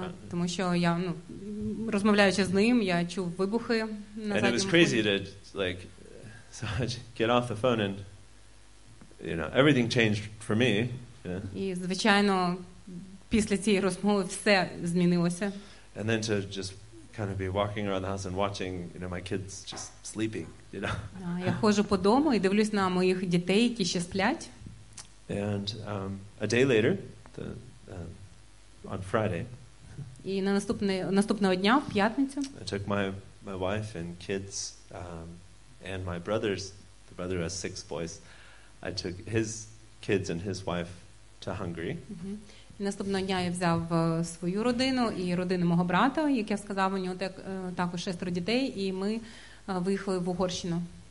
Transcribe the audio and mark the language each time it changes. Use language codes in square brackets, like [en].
[uk] Тому що я, розмовляючи з ним, я чув вибухи на задньому. [en] It was crazy to get off the phone and everything changed for me. [uk] І звичайно, після цієї розмови все змінилося. [en] And then to just kind of be walking around the house and watching, my kids just sleeping, [uk] Я ходжу по дому і дивлюсь на моїх дітей, які ще сплять. [en] And a day later, on Friday. [uk] І на наступного дня, в п'ятницю. [en] I took my wife and kids and my brothers, the brother who has 6 boys. I took his kids and his wife to Hungary. [uk] І наступного дня я взяв свою родину і родину мого брата, як я сказав, у нього також 6 дітей, і ми виїхали в Угорщину.